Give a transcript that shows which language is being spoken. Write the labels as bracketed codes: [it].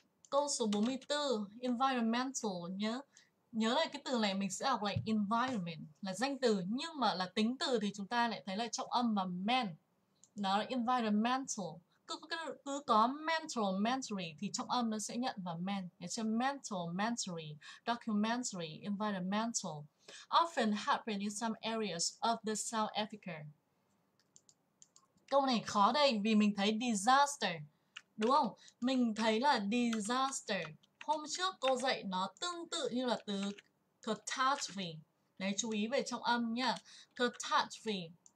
[vi] Câu số 44, environmental nhớ. Nhớ lại cái từ này mình sẽ học lại environment là danh từ, nhưng mà là tính từ thì chúng ta lại thấy là trọng âm và man. Nó là environmental. Cứ có mental, mentory thì trọng âm nó sẽ nhận vào man. Nghĩa là mental, mentory, documentary, environmental. [en] Often happen in some areas of the South Africa. [vi] Câu này khó đây vì mình thấy disaster, đúng không? Mình thấy là disaster. Hôm trước cô dạy nó tương tự như là từ catastrophe. Đấy, chú ý về trọng âm nha. Catastrophe.